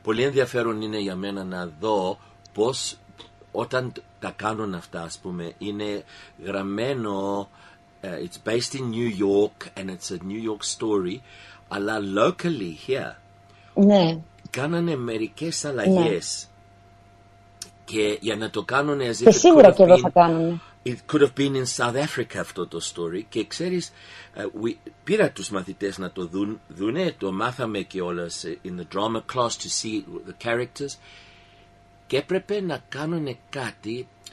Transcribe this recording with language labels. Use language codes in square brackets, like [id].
[el] Πολύ ενδιαφέρον είναι για μένα να δω πώς όταν τα κάνουν αυτά, ας πούμε, είναι γραμμένο, [en] it's based in New York and it's a New York story, [el] αλλά [en] locally here. [el] Ναι. Κάνανε μερικές αλλαγές, ναι, και για να το κάνουν και σίγουρα και εδώ θα κάνουν. [en] It could have been in South Africa [el] αυτό το [en] story. [el] Και ξέρεις, πήρα τους μαθητές να το δουν, το μάθαμε και όλες [en] in the drama class to see the characters. [el] Και έπρεπε να κάνουν κάτι.